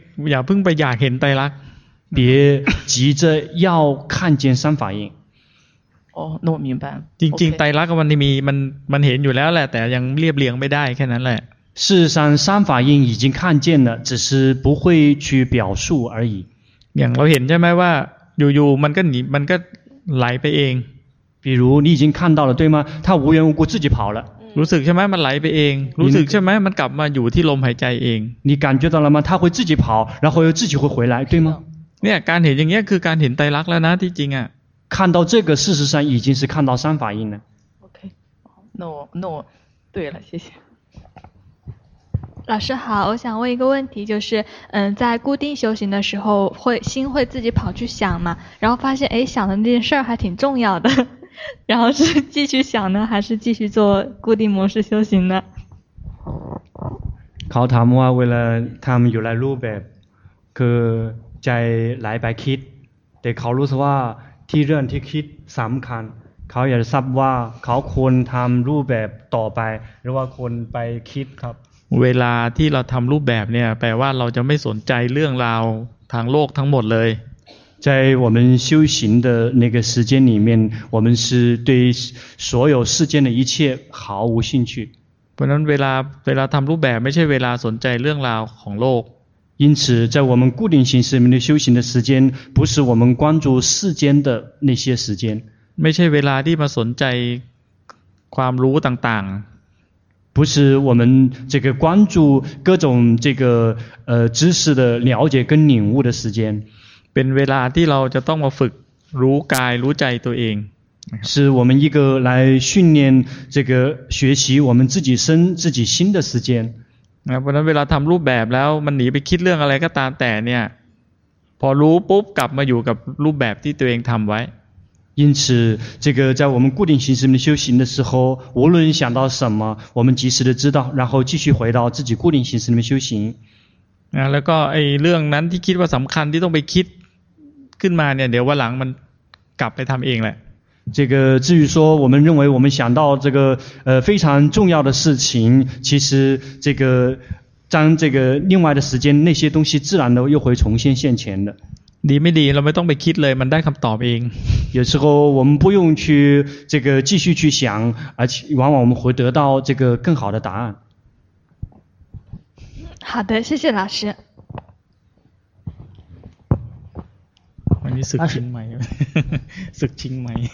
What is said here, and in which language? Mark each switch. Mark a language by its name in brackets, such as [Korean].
[Thai] อย่าเพิ่งไปอยากเห็นไตรลักษณ์ [Chinese] 别急着要看见三法印哦那我明白了 [Thai] จริงๆไตรลักษณ์มันเห็นอยู่แล้วแหละแต่ยังเรียบเรียงไม่ได้แค่นั้นแหละ [Chinese] 事实上三法印已经看见了只是不会去表述而已 [Thai] อย่างเราเห็นใช่ไหมว่าอยู่ๆมันก็ไหลไปเอง [Chinese] 比如你已经看到了对吗它无缘无故自己跑了 [Thai] รู้สึกใช่ไหมมันไหลไปเองรู้สึกใช่ไหมมันกลับมาอยู่ที่ลมหายใจเอง [Chinese] 你感觉到了吗它会自己跑然后又自己会回来对吗 [Thai] เนี่ยการเห็นอย่างเงี้ยคือการเห็นไตรลักษณ์แล้วนะที่จริงอ่ะ [Chinese] 看到这个事实上已经是看到三法印了 OK 那我对了谢谢老师好我想问一个问题就是在固定修行的时候心会自己跑去想嘛然后发现哎想的那件事儿还挺重要的然后是继续想呢还是继续做固定模式修行呢考他们啊为了他们有来路呗可再来白 kid 得考虑的话 [Thai] ที่เรื่องที่คิดสำคัญเขาอยากทราบว่าเขาควรทำรูปแบบต่อไปหรือว่าควรไปคิดครับ เวลาที่เราทำรูปแบบเนี่ยแปลว่าเราจะไม่สนใจเรื่องราวทางโลกทั้งหมดเลย [Chinese] 在我们修行的那个时间里面我们是对所有世间的一切毫无兴趣 [Thai] เพราะนั้นเวลาทำรูปแบบไม่ใช่เวลาสนใจเรื่องราวของโลก [Chinese] 因此在我们固定形式里面的修行的时间不是我们关注世间的那些时间 [Thai] ไม่ใช่เวลาที่มาสนใจความรู้ต่าง [Chinese] ๆ不是我们这个关注各种这个知识的了解跟领悟的时间 [Thai] เป็นเวลาที่เราจะต้องมาฝึกรู้กายรู้ใจตัวเอง [Chinese] 是我们一个来训练这个学习我们自己身自己心的时间 [Thai] เพราะนั้นเวลาทำรูปแบบแล้วมันหนีไปคิดเรื่องอะไรก็ตามแต่เนี่ย พอรู้ปุ๊บกลับมาอยู่กับรูปแบบที่ตัวเองทำไว้ [Chinese] 因此这个在我们固定形式的修行的时候无论想到什么我们及时的知道然后继续回到自己固定形式的修行 [Thai] แล้วก็ไอ้เรื่องนั้นที่คิดว่าสำคัญที่ต้องไปคิดขึ้นมาเนี่ยเดี๋ยววันหลังมันกลับไปทำเองแหละ [Chinese] 这个至于说我们认为我们想到这个非常重要的事情其实这个当这个另外的时间那些东西自然的又会重新现前的 [Thai] ดีไม่ดีเราไม่ต้องไปคิดเลยมันได้คำตอบเอง [Chinese] 有时候我们不用去这个继续去想而且往往我们会得到这个更好的答案好的谢谢老师你สึกชิงไหมสึกชิงไหม